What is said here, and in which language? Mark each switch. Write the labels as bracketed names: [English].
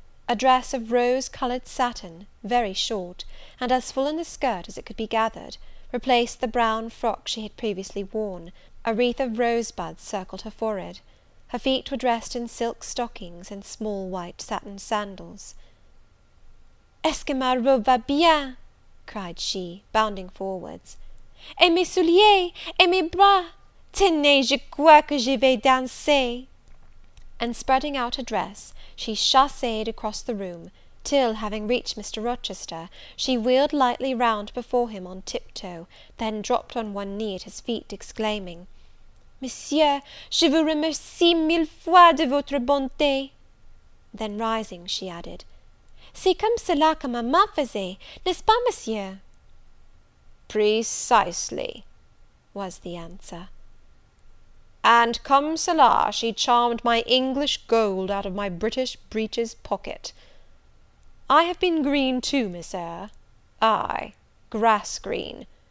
[English] A dress of rose-coloured satin, very short, and as full in the skirt as it could be gathered, replaced the brown frock she had previously worn. A wreath of rosebuds circled her forehead. Her feet were dressed in silk stockings and small white satin sandals. [French] "Est-ce que ma robe va bien?" [English] cried she, bounding forwards. [French] "Et mes souliers, et mes bras! Tenez, je crois que je vais danser!" [English] And spreading out her dress, she chasséed across the room, till, having reached Mr. Rochester, she wheeled lightly round before him on tiptoe, then dropped on one knee at his feet, exclaiming, [French] "Monsieur, je vous remercie mille fois de votre bonté!" [English] Then rising, she added, [French] "C'est comme cela que maman faisait, n'est-ce pas, monsieur?" [English] "Precisely," was the answer. "And [French] comme cela [English] she charmed my English gold out of my British breeches pocket. I have been green too, Miss Eyre. Aye, grass green.